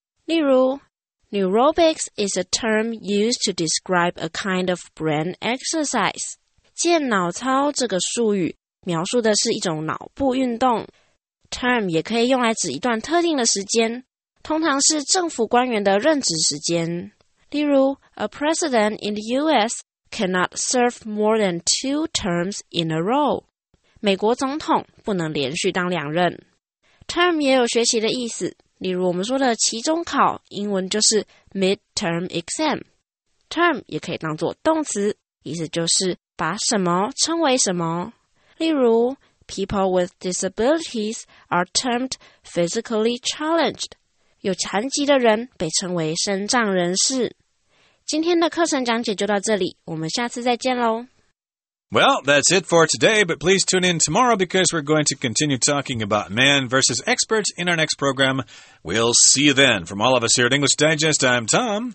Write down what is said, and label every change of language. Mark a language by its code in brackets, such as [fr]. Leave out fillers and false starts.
[zh] 例如 [en] Neurobics is a term used to describe a kind of brain exercise。 [zh] 健脑操这个术语描述的是一种脑部运动。 Term 也可以用来指一段特定的时间，通常是政府官员的任职时间。例如 [en] A president in the U.S. cannot serve more than two terms in a row. [zh] 美国总统不能连续当两任。Term 也有学习的意思，例如我们说的期中考，英文就是 [en] midterm exam. [zh] Term 也可以当作动词，意思就是把什么称为什么。例如 [en] ,people with disabilities are termed physically challenged. [zh] 有残疾的人被称为身障人士。今天的课程讲解就到这里，我们下次再见咯。 [en] Well, that's it for today, but please tune in tomorrow because we're going to continue talking about man versus experts in our next program. We'll see you then. From all of us here at English Digest, I'm Tom.